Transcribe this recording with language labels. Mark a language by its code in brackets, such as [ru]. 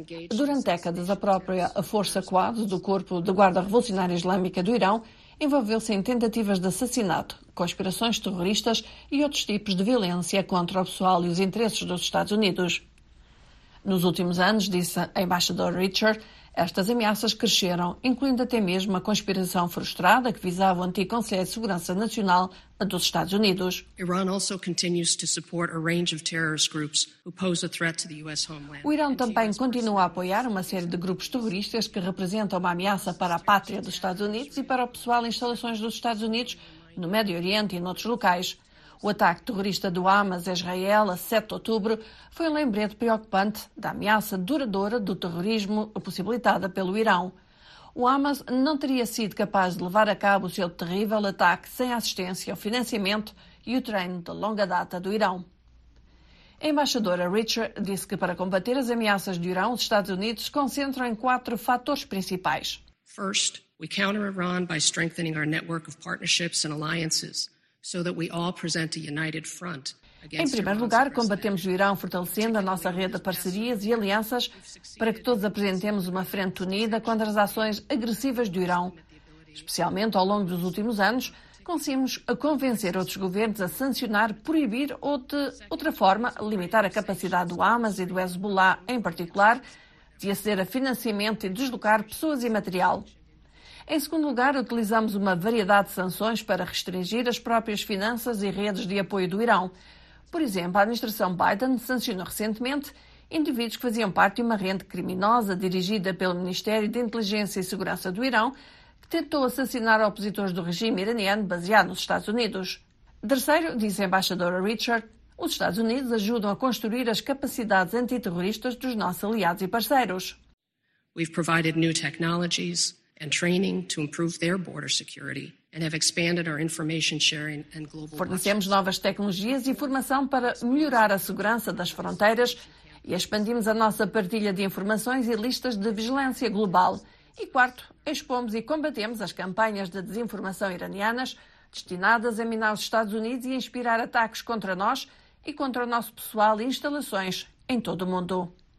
[pt] durante décadas, a própria Força Quad do Corpo de Guarda Revolucionária Islâmica do Irão envolveu-se em tentativas de assassinato, conspirações terroristas e outros tipos de violência contra o pessoal e os interesses dos Estados Unidos. Nos últimos anos, disse a embaixadora Richard, estas ameaças cresceram, incluindo até mesmo a conspiração frustrada que visava o antigo Conselho de Segurança Nacional dos Estados Unidos. [en] Iran also continues to support a range of terrorist groups who pose a threat to the US homeland. [pt] O Irã também continua a apoiar uma série de grupos terroristas que representam uma ameaça para a pátria dos Estados Unidos e para o pessoal em instalações dos Estados Unidos, no Médio Oriente e noutros locais. O ataque terrorista do Hamas a Israel, a 7 de outubro, foi um lembrete preocupante da ameaça duradoura do terrorismo possibilitada pelo Irão. O Hamas não teria sido capaz de levar a cabo o seu terrível ataque sem a assistência, o financiamento e o treino de longa data do Irão. A embaixadora Richard disse que para combater as ameaças do Irão, os Estados Unidos se concentram em quatro fatores principais. [en] First, we counter Iran by strengthening our network of partnerships and alliances, so that we all present a united front against. [pt] Em primeiro lugar, combatemos o Irão fortalecendo a nossa rede de parcerias e alianças para que todos apresentemos uma frente unida contra as ações agressivas do Irão. Especialmente ao longo dos últimos anos, conseguimos convencer outros governos a sancionar, proibir ou, de outra forma, limitar a capacidade do Hamas e do Hezbollah, em particular, de aceder a financiamento e deslocar pessoas e material. Em segundo lugar, utilizamos uma variedade de sanções para restringir as próprias finanças e redes de apoio do Irão. Por exemplo, a administração Biden sancionou recentemente indivíduos que faziam parte de uma rede criminosa dirigida pelo Ministério de Inteligência e Segurança do Irão, que tentou assassinar opositores do regime iraniano baseado nos Estados Unidos. Terceiro, disse a embaixadora Richard, os Estados Unidos ajudam a construir as capacidades antiterroristas dos nossos aliados e parceiros. [en] We've provided new technologies and training to improve their border security, and have expanded our information sharing and global. [pt] Fornecemos novas tecnologias e informação para melhorar a segurança das fronteiras e expandimos a nossa partilha de informações e listas de vigilância global. E quarto, expomos e combatemos as campanhas de desinformação iranianas destinadas a minar os Estados Unidos e inspirar ataques contra nós e contra o nosso pessoal e instalações em todo o mundo.